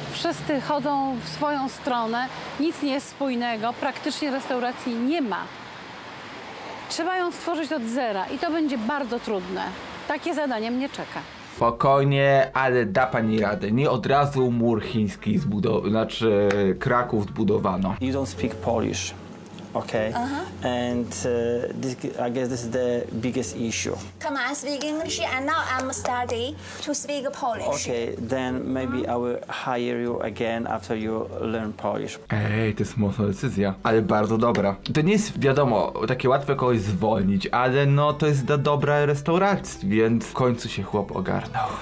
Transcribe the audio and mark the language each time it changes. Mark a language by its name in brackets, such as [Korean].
[Polish] Wszyscy chodzą w swoją stronę, nic nie jest spójnego, praktycznie restauracji nie ma. Trzeba ją stworzyć od zera i to będzie bardzo trudne. Takie zadanie mnie czeka. Spokojnie, ale da pani radę. Nie od razu mur chiński znaczy Kraków zbudowano. [English] You don't speak Polish, okay? Uh-huh. And I guess this is the biggest issue. Come on, I speak English and now I'm study to speak Polish. Okay, then maybe I will hire you again after you learn Polish. [Polish] Ej, to jest mocna decyzja, ale bardzo dobra. To nie jest, wiadomo, takie łatwe kogoś zwolnić, ale no to jest do dobra restauracji, więc w końcu się chłop ogarnął.